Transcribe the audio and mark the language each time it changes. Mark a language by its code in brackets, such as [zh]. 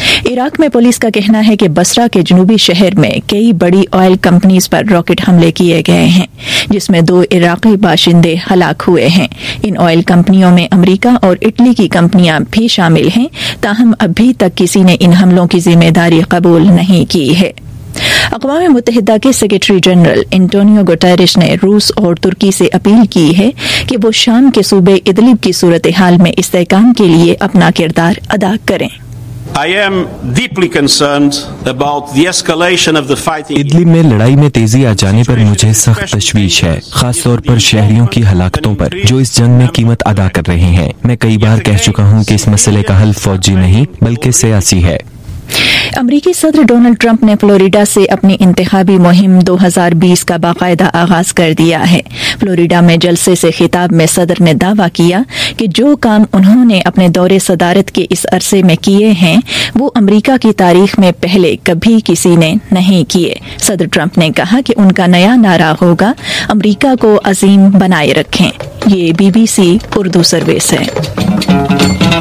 [ur] عراق میں پولیس کا کہنا ہے کہ بصرہ کے جنوبی شہر میں کئی بڑی آئل کمپنیز پر راکٹ حملے کیے گئے ہیں، جس میں 2 عراقی باشندے ہلاک ہوئے ہیں۔ ان آئل کمپنیوں میں امریکہ اور اٹلی کی کمپنیاں بھی شامل ہیں، تاہم ابھی تک کسی نے ان حملوں کی ذمہ داری قبول نہیں کی ہے۔ اقوام متحدہ کے سیکرٹری جنرل انٹونیو گوٹیرش نے روس اور ترکی سے اپیل کی ہے کہ وہ شام کے صوبے ادلب کی صورتحال میں استحکام کے لیے اپنا کردار ادا کریں۔ [en] I am deeply concerned about the escalation of the fighting. [ur] Idlib میں لڑائی میں تیزی آ جانے پر مجھے سخت تشویش ہے، خاص طور پر شہریوں کی ہلاکتوں پر جو اس جنگ میں قیمت ادا کر رہے ہیں۔ میں کئی بار کہہ چکا ہوں کہ اس مسئلے کا حل فوجی نہیں بلکہ سیاسی ہے۔ امریکی صدر ڈونلڈ ٹرمپ نے فلوریڈا سے اپنی انتخابی مہم 2020 کا باقاعدہ آغاز کر دیا ہے۔ فلوریڈا میں جلسے سے خطاب میں صدر نے دعویٰ کیا کہ جو کام انہوں نے اپنے دور صدارت کے اس عرصے میں کیے ہیں وہ امریکہ کی تاریخ میں پہلے کبھی کسی نے نہیں کیے۔ صدر ٹرمپ نے کہا کہ ان کا نیا نعرہ ہوگا، امریکہ کو عظیم بنائے رکھیں۔ یہ be B C Urdu service ہے۔